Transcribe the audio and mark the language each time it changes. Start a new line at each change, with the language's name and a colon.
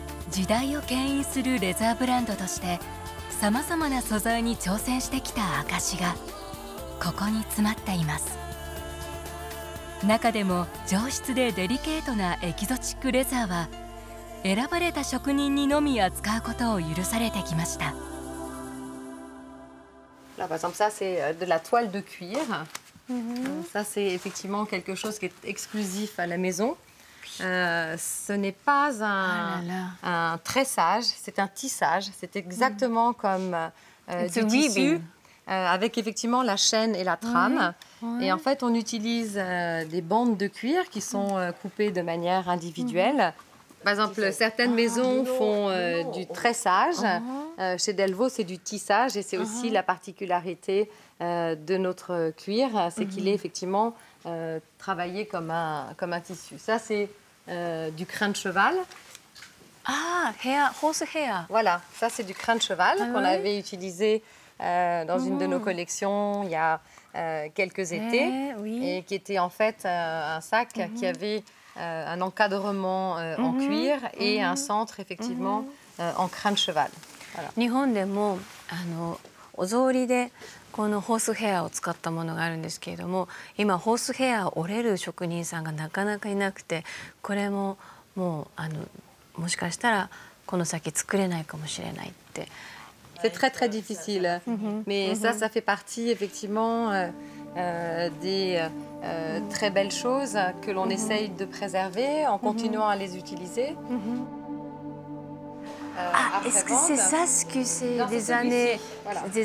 Japanese: 時代を牽引するレザーブランドとして、さまざまな素材に挑戦してきた証がここに詰まっています。中でも上質でデリケートなエキゾチックレザーは選ばれた職人にのみ扱うことを許されてきました。
French: Là, par exemple, ça, c'est de la toile de cuir. Mm-hmm. Ça, c'est effectivement quelque chose qui est exclusif à la maison. Ce n'est pas un tressage, c'est un tissage. C'est exactement comme du tissu, avec effectivement la chaîne et la trame. Mm-hmm. Et en fait, on utilise des bandes de cuir qui sont coupées de manière individuelle. Mm-hmm. Par exemple, certaines maisons font du tressage. Mm-hmm. Chez Delvaux, c'est du tissage et c'est aussi la particularité de notre cuir, c'est qu'il est effectivement travaillé comme un tissu. Ça, c'est du crin de cheval.
English: Ah, horse hair.
French: Voilà, ça, c'est du crin de cheval qu'on avait utilisé dans une de nos collections il y a quelques étés et qui était en fait un sac qui avait un encadrement en cuir et un centre, effectivement, en crin de cheval.
Japanese: 日本でもお草履でこのホースヘアを使ったものがあるんですけれども、今ホースヘアを折れる職人さんがなかなかいなくて、これももうもしかしたらこの先作れないかもしれないって。
French: C'est très très difficile. Mais ça fait partie effectivement des très belles choses que l'on essaye de préserver en continuant à les utiliser. Est-ce que c'est ça, ce que c'est, non, des, c'est années, voilà.